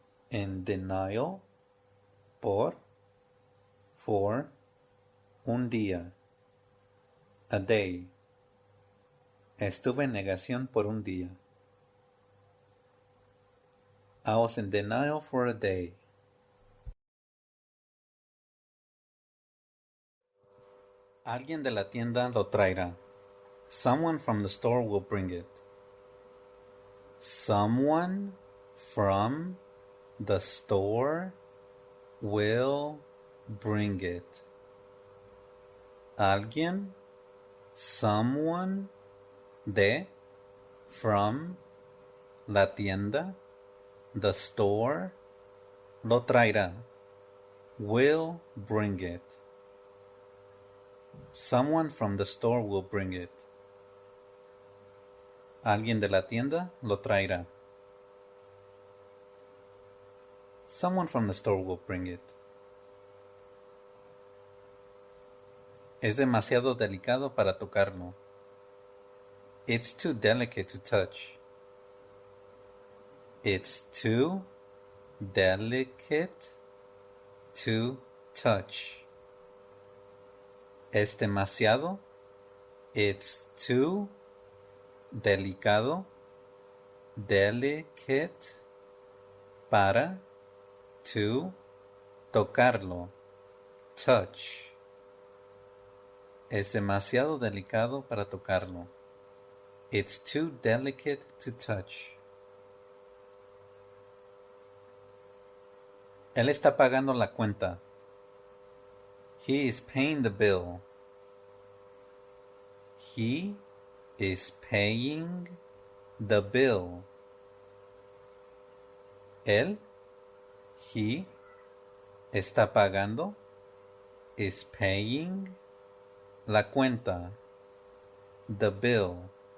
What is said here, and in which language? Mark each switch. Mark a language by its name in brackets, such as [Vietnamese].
[English] In denial, for, [Spanish] un día, [English] a day. [Spanish] Estuve en negación por un día. [English] I was in denial for a day. [Spanish] Alguien de la tienda lo traerá. [English] Someone from the store will bring it. Someone from the store will bring it. [Spanish] Alguien, [English] someone, [Spanish] de, [English] from, [Spanish] la tienda, [English] the store, [Spanish] lo traerá, [English] will bring it. Someone from the store will bring it. [Spanish] Alguien de la tienda lo traerá. [English] Someone from the store will bring it. [Spanish] Es demasiado delicado para tocarlo. [English] It's too delicate to touch. It's too delicate to touch. [Spanish] Es demasiado. [English] It's too [Spanish] delicado. [English] Delicate [Spanish] para [English] to [Spanish] tocarlo, [English] touch. [Spanish] Es demasiado delicado para tocarlo. [English] It's too delicate to touch. [Spanish] Él está pagando la cuenta. [English] He is paying the bill. He is paying the bill. [Spanish] Él, [English] he, [Spanish] está pagando, [English] is paying, [Spanish] la cuenta, [English] the bill.